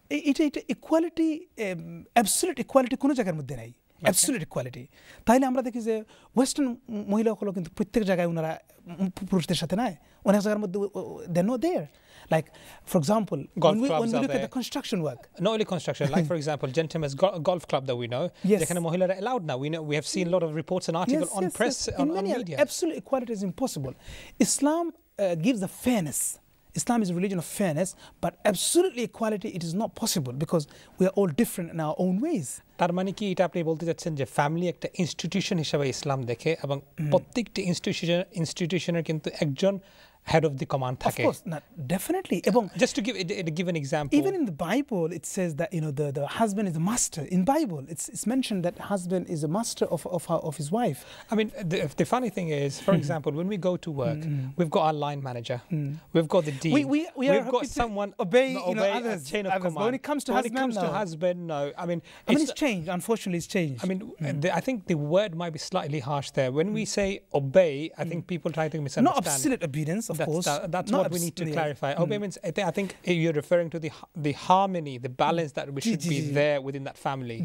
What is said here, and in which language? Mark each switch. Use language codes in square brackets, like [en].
[bn] এটা এটা equality absolute equality কোনো জায়গার মধ্যে নাই অ্যাবসলিউট ইকুয়ালিটি তাহলে আমরা দেখি যে ওয়েস্টার্ন মহিলাগুলো কিন্তু প্রত্যেক জায়গায় ওনারা পুরুষদের সাথে নেয় অনেক জায়গার মধ্যে [en] Then no there Like, for example, when we look at the construction work. Not only construction, like for example, Gentleman's golf club that we know. Yes. They're kind of mohilara allowed now. We have seen a lot of reports and articles on press, on media. Absolute equality is impossible. Islam gives the fairness. Islam is a religion of fairness, but absolutely equality, it is not possible because we are all different in our own ways. [bn] তার মানে কি এটা আপনি বলতে চাচ্ছেন যে family একটা institution হিসেবে ইসলাম দেখে এবং প্রত্যেকটি ইনস্টিটিউশনের কিন্তু একজন [en] head of the command [bn] থাকে [en] of course না definitely এবং just to give it give an example even in the Bible it says that you know the husband is the master in Bible it's mention that husband is the master of his wife I mean the funny thing is for example when we go to work we have got our line manager we have got the dean we are have got someone obey you know others chain of command when it comes to husband no I mean it's changed unfortunately it's changed I mean I think the word might be slightly harsh there when we say obey I think people try to misunderstand not absolute obedience of that's course that's what we need to clarify obey means I think you're referring to the harmony the balance that we should be there within that family